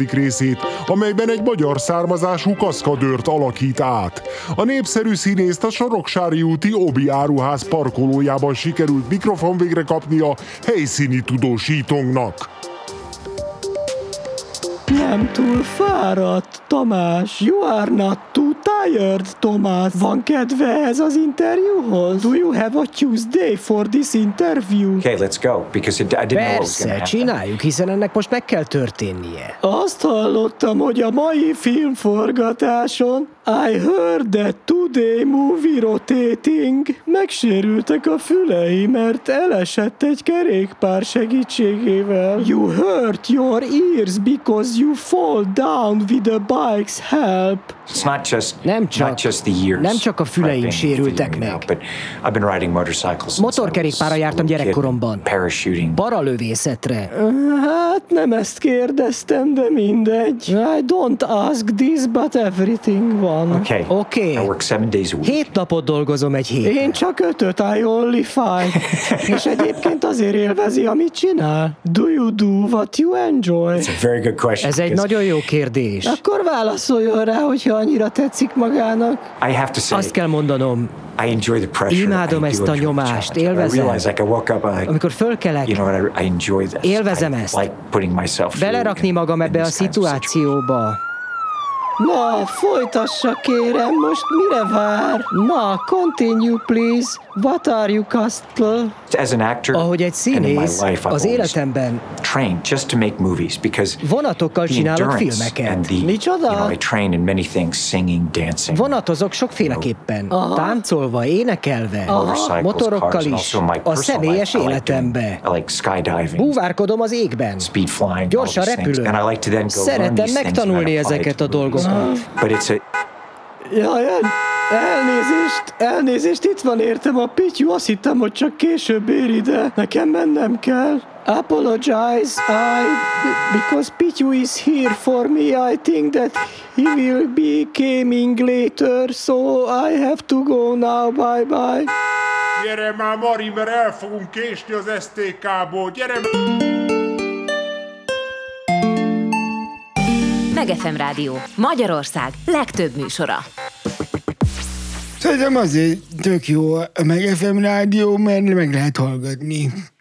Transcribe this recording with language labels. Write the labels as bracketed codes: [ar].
[hu] részét, amelyben egy magyar származású kaszkadőrt alakít át. A népszerű színészt a Soroksári úti Obi áruház parkolójában sikerült mikrofon végre kapnia helyszíni tudósítónknak. Nem túl fáradt, Tamás. [en] You are not too tired, Tamás. [hu] Van kedve ez az interjúhoz? [en] Do you have a Tuesday for this interview? Okay, let's go, because I didn't [hu] Persze, [en] know [hu] csináljuk, hiszen ennek most meg kell történnie. Azt hallottam, hogy a mai filmforgatáson [en] I heard that today movie rotating. [hu] Megsérültek a fülei, mert elesett egy kerékpár segítségével. [en] You hurt your ears because you fall down with a bike's help. It's not just, [hu] nem csak, [en] not just the ears. [hu] Nem csak a füleim sérültek meg. [en] Now, but I've been riding motorcycles. [hu] Motorkerékpára jártam gyerekkoromban. [en] Parachuting. [hu] Baralövészetre. Hát nem ezt kérdeztem, de mindegy. [en] I don't ask this, but everything was. Okay. I work 7 days a week. [hu] 7 napot dolgozom egy hét. Én csak 5-öt, [en] I only 5. [hu] És egyébként azért élvezi, amit csinál. [en] Do you do what you enjoy? It's a very good question. [hu] Ez egy nagyon jó kérdés. Akkor válaszoljon rá, hogyha annyira tetszik magának. [en] I have to say. [hu] Azt kell mondanom. [en] I enjoy the pressure. [hu] Imádom ezt a nyomást, élvezem. [en] I realize, like, I woke up, [hu] amikor fölkelek, [en] you know, I enjoy this. [hu] Élvezem ezt. [en] I like putting myself [hu] belerakni magam ebbe a szituációba. Na, folytassa kérem, most mire vár? [en] Na, continue please. What are you, Castle? As an actor, [hu] ahogy egy színész, az életemben [en] train just to make movies because [hu] vonatokkal csinálok filmeket. Micsoda? [en] You know, I train in many things, singing, dancing. [hu] Vonatozok sokféleképpen. [en] You know, [hu] táncolva, énekelve, motorokkal is, a személyes életembe. [en] I like skydiving. [hu] Búvárkodom az égben. [en] Speed flying. [hu] Gyorsan repülök. [en] And I like to then go [hu] szeretem megtanulni ezeket a dolgokat. [en] But it's a... [hu] Jaj, elnézést, itt van értem a pityú, azt hittem, hogy csak később ér ide, nekem mennem kell. [en] Apologize, because Pichu is here for me, I think that he will be coming later, so I have to go now, bye-bye. [hu] Gyere már, Mari, mert el fogunk késni az STK-ból, gyere! Meg FM Rádió, Magyarország legtöbb műsora. Szerintem azért tök jó a Meg FM Rádió, mert meg lehet hallgatni.